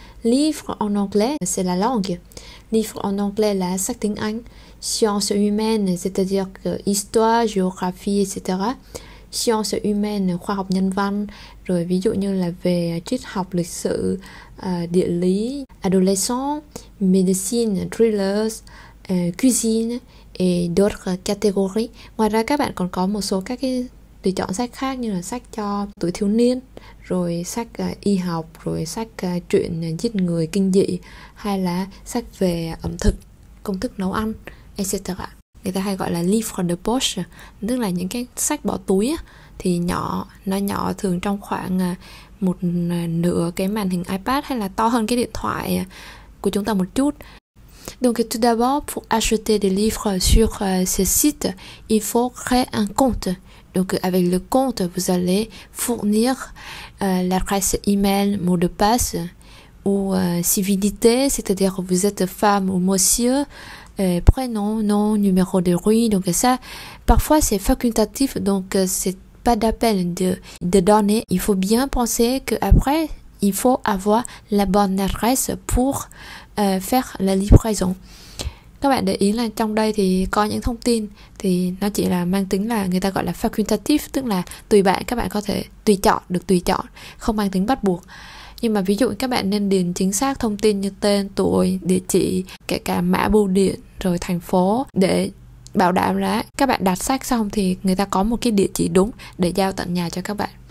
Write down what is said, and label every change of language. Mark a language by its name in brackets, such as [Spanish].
[French] Livre en anglais, c'est la langue. Livre en anglais, là, sac [Vietnamese] tiếng Anh. [French] Sciences humaines, c'est-à-dire histoire, géographie, etc. Sciences humaines, [Vietnamese] khoa học nhân văn, rồi ví dụ như là về triết học, lịch sử, địa lý, [French] adolescent, médecine, thrillers, cuisine et d'autres catégories. [Vietnamese] Ngoài ra, các bạn còn có một số các cái tùy chọn sách khác như là sách cho tuổi thiếu niên, rồi sách y học, rồi sách truyện giết người kinh dị, hay là sách về ẩm thực, công thức nấu ăn, etc. Người ta hay gọi là livre de poche, tức là những cái sách bỏ túi á, thì nhỏ, nó nhỏ thường trong khoảng một nửa cái màn hình iPad hay là to hơn cái điện thoại của chúng ta một chút. [French] Donc tout d'abord, pour acheter des livres sur ces sites, il faut créer un compte. Donc avec le compte, vous allez fournir l'adresse email, mot de passe ou civilité, c'est-à-dire vous êtes femme ou monsieur, prénom, nom, numéro de rue. Donc ça, parfois c'est facultatif, donc c'est pas d'appel de donner. Il faut bien penser qu'après, il faut avoir la bonne adresse pour faire la livraison. [Vietnamese] Các bạn để ý là trong đây thì có những thông tin thì nó chỉ là mang tính là người ta gọi là facultatif, tức là tùy bạn, các bạn có thể tùy chọn, được tùy chọn, không mang tính bắt buộc. Nhưng mà ví dụ các bạn nên điền chính xác thông tin như tên, tuổi, địa chỉ, kể cả mã bưu điện, rồi thành phố, để bảo đảm là các bạn đặt sách xong thì người ta có một cái địa chỉ đúng để giao tận nhà cho các bạn.